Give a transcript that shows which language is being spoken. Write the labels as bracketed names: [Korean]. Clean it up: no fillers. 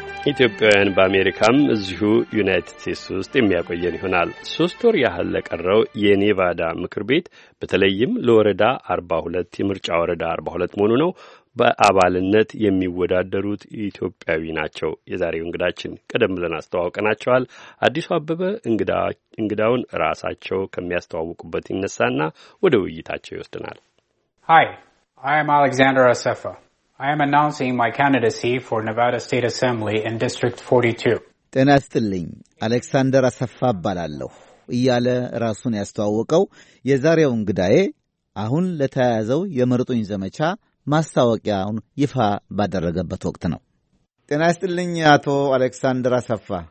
[Amharic] ኢትዮጵያውያን በአሜሪካም እዚሁ ዩናይትድ ስቴትስ ውስጥ የሚያቆየን ይሆናል። ሶስት ወር ያህል ለቀረው የኔቫዳ ምክር ቤት በተለይም ለወረዳ 42 የምርጫ ወረዳ 42 መሆኑ ነው በአባልነት የሚወዳደሩት ኢትዮጵያዊ ናቸው። የዛሬው እንግዳችን ቀደም ብለን አስተዋውቀናቸዋል። አዲሱ አበበ እንግዳውን ራሳቸው ከሚያስተዋውቁበት ይነሳና ወደ ውይይታቸው ይወስድናል። [English] ሀይ አይ አም አሌክዛንደር አሰፋ I am announcing my candidacy for Nevada State Assembly in District 42. [Amharic] ጤና ይስጥልኝ። አሌክሳንደር አሰፋ እባላለሁ። እያለ ራሱን ያስተዋወቀው የዛሬው እንግዳዬ አሁን ለተያዘው የመርጦኝ ዘመቻ ማስተዋወቂያውን ይፋ ባደረገበት ወቅት ነው። ጤና ይስጥልኝ አቶ አሌክሳንደር አሰፋ።